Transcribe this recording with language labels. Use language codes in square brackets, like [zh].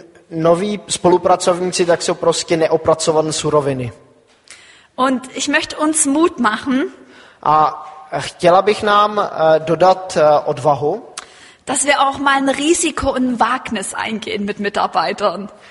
[cs] Noví spolupracovníci tak jsou prostě neopracované suroviny. [de] Und ich möchte uns Mut machen. [cs] A chtěla bych nám dodat odvahu. [de] Dass wir auch mal ein Risiko und Wagnis eingehen mit Mitarbeitern.